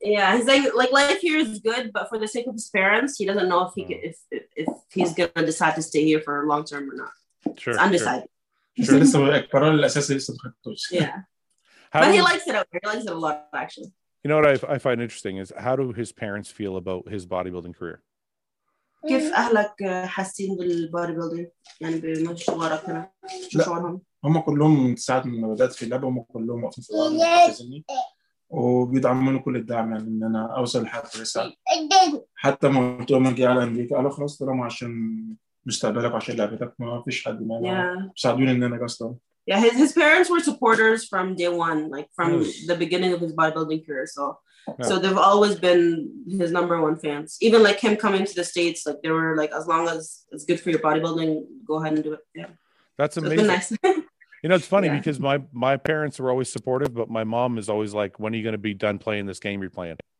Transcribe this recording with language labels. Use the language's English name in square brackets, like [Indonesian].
[English] Yeah, he's like life here is good, but for the sake of his parents, he doesn't know if he's gonna decide to stay here for long term or not. Sure. It's undecided. Sure. [Arabic] لسه القرار الأساسي لسه ما خدتوش. [English] Yeah. But he likes it out here. He likes it a lot actually. You know what I find interesting is how do his parents feel about his bodybuilding career? [Arabic] كيف أهلك حاسين بالباري بيلدر يعني بمشوارك أنا شعورهم؟ هم كلهم ساعات من بدأت في اللعبة هم كلهم وقفين في بعض المركزيني وبيدعموني كل الدعم يعني إن أنا أوصل لحد رسالة حتى ما قلت لهم أجي على أمريكا قالوا خلاص طالما عشان مستقبلك عشان لعبتك ما فيش حد ما ساعدوني إن أنا قصته. [English] Yeah, his parents were supporters from day one, like from the beginning of his bodybuilding career. So they've always been his number one fans. Even like him coming to the States, like they were like, as long as it's good for your bodybuilding, go ahead and do it. Yeah, that's so amazing. It's been nice. You know, it's funny because my parents were always supportive, but my mom is always like, when are you going to be done playing this game you're playing?